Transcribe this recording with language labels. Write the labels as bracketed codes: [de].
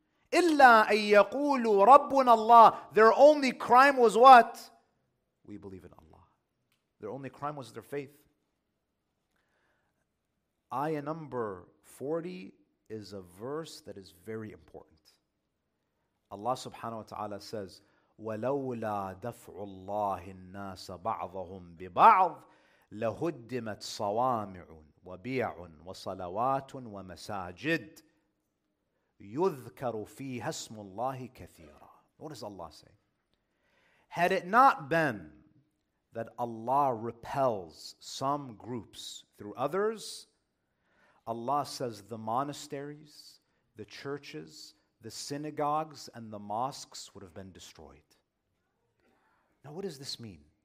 [ar] إِلَّا أَن يَقُولُوا رَبُّنَا اللَّهِ [en] Their only crime was what? We believe in Allah. Their only crime was their faith. Ayah number 40 is a verse that is very important. Allah subhanahu wa ta'ala says, [ar] وَلَوْلَا دَفْعُ اللَّهِ النَّاسَ بَعْضَهُمْ بِبَعْضٍ لَهُدِّمَتْ صَوَامِعٌ وَبِيَعٌ وَصَلَوَاتٌ وَمَسَاجِدٌ يُذْكَرُ فِيهَا اسْمُ اللَّهِ كَثِيرًا [en] What does Allah say? Had it not been that Allah repels some groups through others, Allah says the monasteries, the churches, the synagogues, and the mosques would have been destroyed. Now what does this mean?